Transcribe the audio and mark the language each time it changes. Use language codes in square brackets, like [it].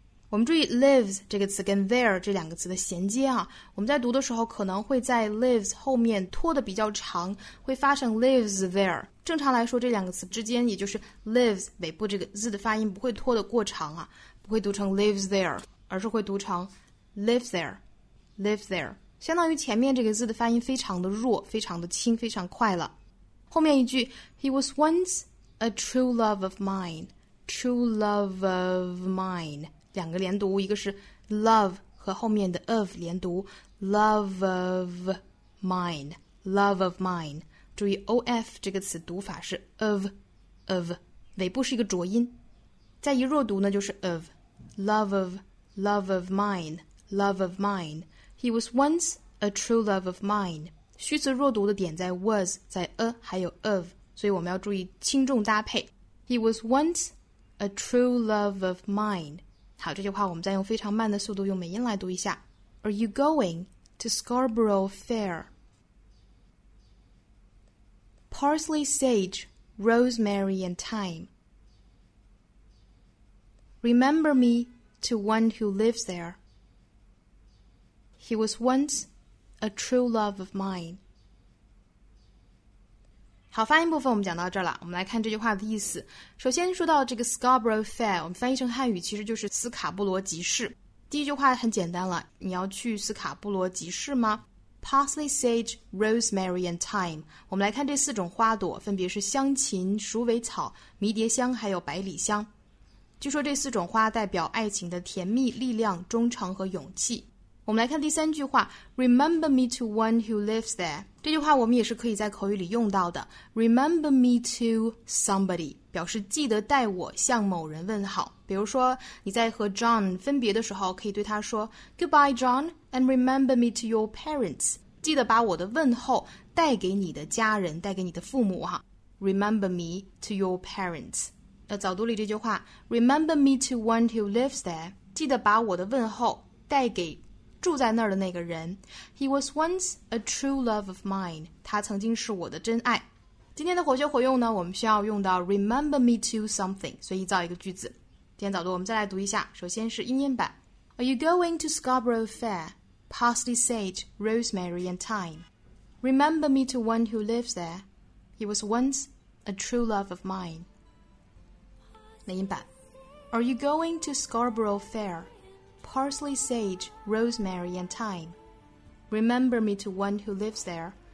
[zh] 我们注意 lives 这个词跟 there 这两个词的衔接啊，我们在读的时候可能会在 lives 后面拖得比较长，会发成 lives there。正常来说，这两个词之间，也就是 lives 尾部这个 z 的发音不会拖得过长啊，不会读成 lives there， 而是会读成 lives there。 Live there 相当于前面这个字的发音非常的弱，非常的轻，非常快了。后面一句 [en] He was once a true love of mine. True love of mine [zh] 两个连读，一个是 [en] love [zh] 和后面的 [en] of 连读， Love of mine. Love of mine. [zh] 注意 of 这个词读法是 of 尾部是一个浊音，再一弱读呢就是 of [en] Love of mine. He was once a true love of mine. [zh] 虚词弱读的点在 was， 在 a 还有 of， 所以我们要注意轻重搭配。 [en] He was once a true love of mine. [zh] 好，这句话我们再用非常慢的速度用美音来读一下。 [en] Are you going to Scarborough Fair? Parsley, sage, rosemary and thyme. Remember me to one who lives there. He was once a true love of mine. [zh] 好，发音部分我们讲到这儿了。我们来看这句话的意思。首先说到这个 Scarborough Fair， 我们翻译成汉语其实就是斯卡布罗集市。第一句话很简单了，你要去斯卡布罗集市吗？ [en] Parsley, sage, rosemary and thyme。 [zh] 我们来看这四种花朵，分别是香芹、鼠尾草、迷迭香还有百里香。据说这四种花代表爱情的甜蜜、力量、忠诚和勇气。我们来看第三句话 [en] Remember me to one who lives there。 [zh] 这句话我们也是可以在口语里用到的， [en] Remember me to somebody [zh] 表示记得带我向某人问好。比如说你在和 John 分别的时候，可以对他说 [en] Goodbye John and remember me to your parents， [zh] 记得把我的问候带给你的家人，带给你的父母哈。 [en] Remember me to your parents。 [zh] 早读里这句话 [en] Remember me to one who lives there， [zh] 记得把我的问候带给住在那儿的那个人。 [en] He was once a true love of mine， [zh] 他曾经是我的真爱。今天的活学活用呢，我们需要用到 remember me to something， 所以造一个句子。今天早读我们再来读一下，首先是英音版。 [en] Are you going to Scarborough Fair? Parsley, sage, rosemary and thyme. Remember me to one who lives there. He was once a true love of mine. [zh] 美音版。 [en] Are you going to Scarborough FairParsley, sage, rosemary, and thyme. Remember me to one who lives there.